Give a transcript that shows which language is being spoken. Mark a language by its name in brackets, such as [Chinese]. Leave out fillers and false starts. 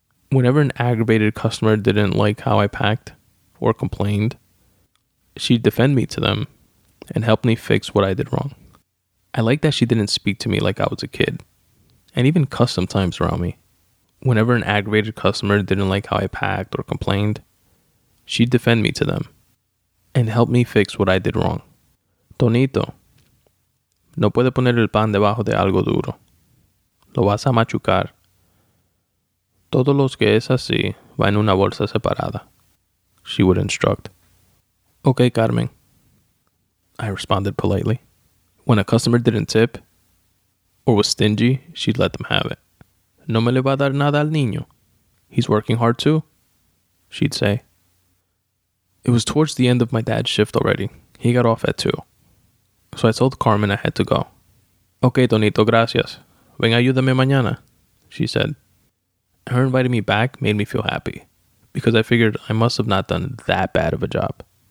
[English] Whenever an aggravated customer didn't like how I packed or complained, she'd defend me to them and help me fix what I did wrong. I liked that she didn't speak to me like I was a kid. And even cussed sometimes around me. Whenever an aggravated customer didn't like how I packed or complained, she'd defend me to them and help me fix what I did wrong. [Spanish] Tonito, no puede poner el pan debajo de algo duro. Lo vas a machucar. Todos los que es así va en una bolsa separada, [English] she would instruct. Okay, Carmen, I responded politely. When a customer didn't tip or was stingy, she'd let them have it. [Spanish] No me le va a dar nada al niño. [English] He's working hard too, she'd say. It was towards the end of my dad's shift already. He got off at 2. So I told Carmen I had to go. [Spanish] Okay, Tonito, gracias. Ven, ayúdame mañana, [English] she said. Her inviting me back made me feel happy, because I figured I must have not done that bad of a job.